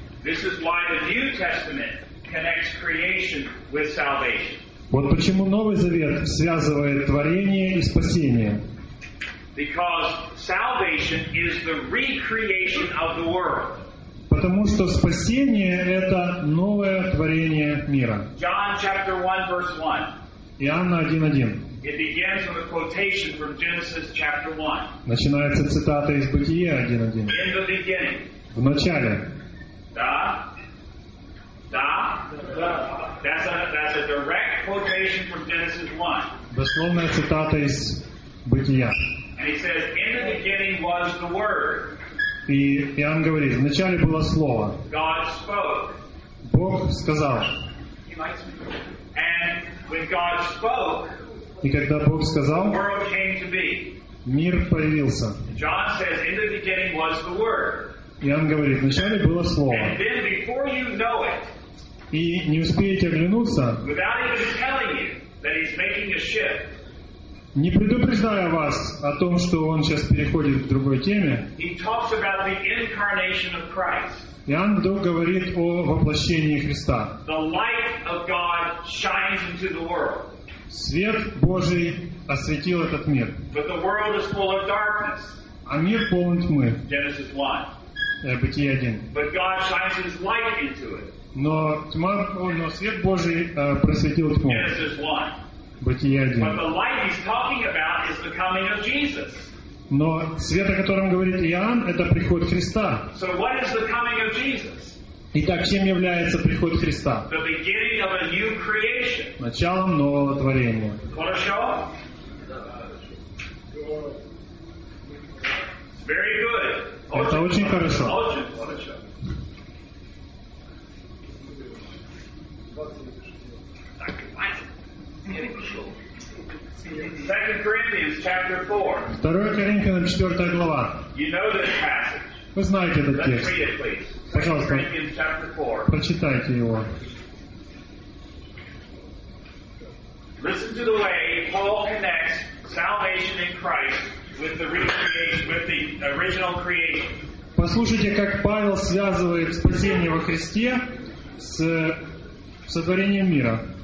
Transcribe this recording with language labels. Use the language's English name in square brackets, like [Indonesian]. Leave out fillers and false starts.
[English] This is why the New Testament connects creation with salvation. [Russian] Вот почему Новый Завет связывает творение и спасение. [English] Because salvation is the recreation of the world. [Russian] Потому что спасение — это новое творение мира. [English] John chapter 1, verse 1. [Russian] Иоанна 1:1. [English] It begins with a quotation from Genesis chapter 1. [Russian] Начинается цитата из Бытия 1:1. [English] In the beginning. [Russian] В начале. Да. Да. Да. [English] That's a direct quotation from Genesis 1. [Russian] Дословная цитата из Бытия. [English] And he says, in the beginning was the Word. [Russian] И Иоанн говорит, вначале было Слово. [English] God spoke. [Russian] Бог сказал. [English] And when God spoke, [Russian] и когда Бог сказал, [English] the world came to be. [Russian] Мир появился. [English] John says, in the beginning was the Word. [Russian] Иоанн говорит, вначале было Слово. [English] And then before you know it, [Russian] и не успеете оглянуться, [English] without even telling you that he's making a shift, [Russian] не предупреждая вас о том, что он сейчас переходит к другой теме, Иоанн вдруг говорит о воплощении Христа. [English] The light of God shines into the world. [Russian] Свет Божий осветил этот мир. [English] But the world is full of darkness. [Russian] А мир полон тьмы. [English] Genesis 1. [Russian] Бытие 1. [English] But God shines his light into it. [Russian] Но свет Божий просветил тьму. [English] Genesis 1. [Russian] Бытие 1. [English] But the light he's talking about is the coming of Jesus. [Russian] Но свет, о котором говорит Иоанн, это приход Христа. [English] So what is the coming of Jesus? [Russian] Итак, чем является приход Христа? [English] The beginning of a new creation. [Russian] Началом нового творения. [English] Want to show? Very good. [Russian] Это очень хорошо. [English] Second Corinthians chapter 4. You know this passage. [Russian] Вы знаете этот текст. [English] Let's read it, please. [Russian] Пожалуйста, [English] Corinthians chapter 4. [Russian] Прочитайте его. [English] Listen to the way Paul connects salvation in Christ with the recreation, with the original creation. [Russian] Послушайте, как Павел связывает спасение во Христе с сотворением мира.